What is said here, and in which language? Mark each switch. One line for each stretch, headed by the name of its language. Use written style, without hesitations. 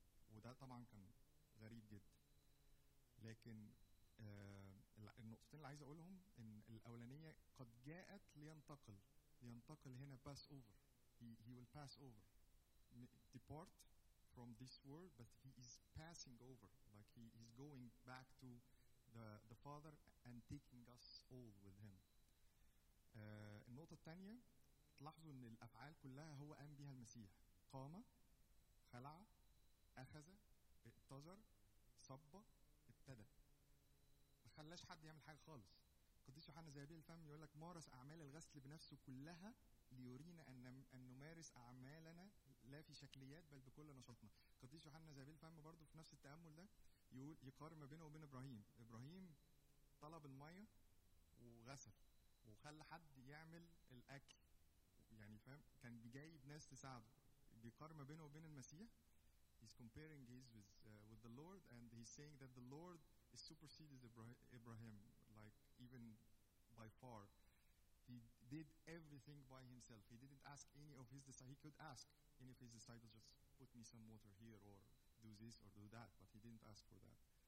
Arabic: وده طبعا كان غريب جدا. لكن النقطتين اللي عايز اقولهم، ان الاولانية قد جاءت لينتقل هنا pass over.
English: He will pass over. Depart from this world but he is passing over. Like he is going back to the Father and taking us all with him.
Arabic: النقطة الثانية، تلاحظوا ان الافعال كلها هو قام بها المسيح. قام، خلع، اخذ، اتزر، صب، ابتدى. ما خلاش حد يعمل حاجة خالص. قديس يوحنا ذهبي الفم يقول لك مارس اعمال الغسل بنفسه كلها ليورينا ان نمارس اعمالنا لا في شكليات بل بكل نشاطنا. قديس يوحنا ذهبي الفم برضو في نفس التأمل ده يقول، يقارن ما بينه وبين ابراهيم. ابراهيم طلب المية وغسل وخلى حد يعمل الاكل، يعني فاهم، كان بيجايب ناس تساعده.
English: بيقارن ما بينه وبين المسيح، he's comparing his with the Lord and he's saying that the Lord supersedes Abraham. like even by far. He did everything by himself. He didn't ask any of his disciples. He could ask any of his disciples, just put me some water here or do this or do that, but he didn't ask for that.